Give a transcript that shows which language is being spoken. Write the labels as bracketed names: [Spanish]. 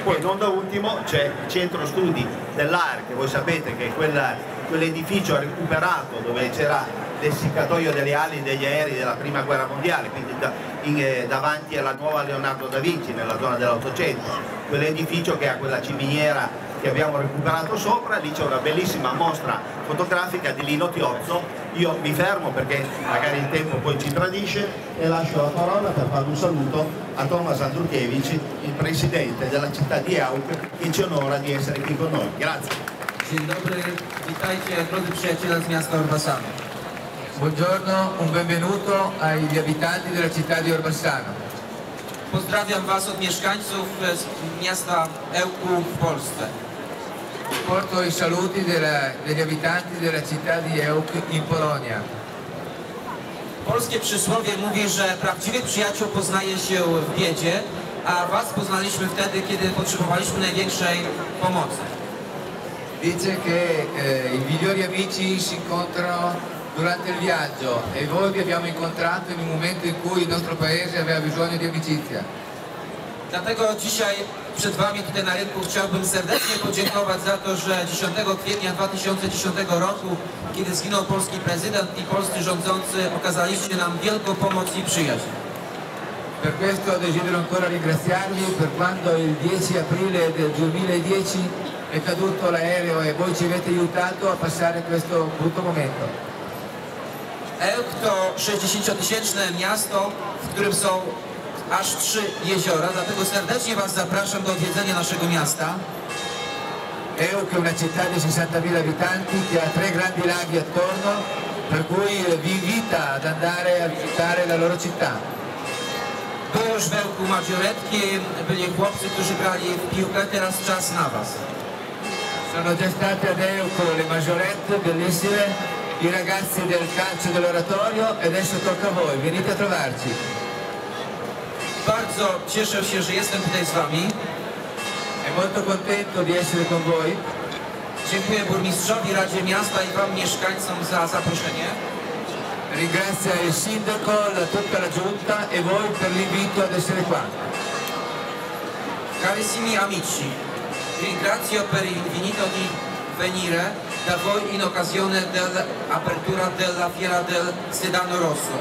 [Italian] Poi, non da ultimo, c'è il centro studi dell'AR, che voi sapete che è quell'edificio recuperato dove c'era l'essiccatoio delle ali degli aerei della Prima Guerra Mondiale, quindi davanti alla nuova Leonardo da Vinci, nella zona dell'Ottocento, quell'edificio che ha quella ciminiera che abbiamo recuperato sopra. Lì c'è una bellissima mostra fotografica di Lino Tiozzo. Io mi fermo perché magari il tempo poi ci tradisce e lascio la parola per fare un saluto a Tomas Andruchievici, il presidente della città di Auk, che ci onora di essere qui con noi. Grazie. [Polish] Dzień dobry, witajcie drodzy przyjaciele z miasta Orbassano. [Italian] Buongiorno, un benvenuto agli abitanti della città di Orbassano. [Polish] Pozdrawiam Was od mieszkańców z miasta Ełku w Polsce. [Italian] Porto i saluti degli abitanti della città di Ełk in Polonia. [Polish] Polskie przysłowie mówi, że prawdziwy przyjaciel poznaje się w biedzie, a Was poznaliśmy wtedy, kiedy potrzebowaliśmy największej pomocy. [Italian] Dice che i migliori amici si incontrano durante il viaggio e voi vi abbiamo incontrato in un momento in cui il nostro paese aveva bisogno di amicizia. [Polish] Dlatego dzisiaj przed Wami tutaj na rynku chciałbym serdecznie podziękować za to, że 10 kwietnia 2010 roku, kiedy zginął polski prezydent i polscy rządzący, okazaliście nam wielką pomoc i przyjaźń. [Italian] Per questo desidero ancora ringraziarvi per quando il 10 aprile del 2010 è caduto l'aereo e voi ci avete aiutato a passare questo brutto momento. [Polish] Ełk to 60-tysięczne miasto, w którym są aż 3 jeziora, dlatego serdecznie Was zapraszam do odwiedzenia naszego miasta. [Italian] Ełk è una città di 60.000 abitanti che ha 3 grandi laghi attorno, per cui vi invita ad andare a visitare la loro città. [Polish] Tu już w Ełku maggioretki, byli chłopcy, którzy grali w piłkę, teraz czas na Was. [Italian] Sono già state ad Ełku le maggiorette, bellissime, i ragazzi del calcio dell'oratorio, e adesso tocca a voi, venite a trovarci. [Polish] Bardzo cieszę się, że jestem tutaj z Wami. [Italian] E molto contento di essere con voi. [Polish] Dziękuję burmistrzowi, Radzie Miasta i Wam mieszkańcom za zaproszenie. [Italian] Ringrazio il sindaco, tutta la giunta e voi per l'invito ad essere qua. Carissimi amici, ringrazio per il invito di venire da voi in occasione dell'apertura della Fiera del Sedano Rosso.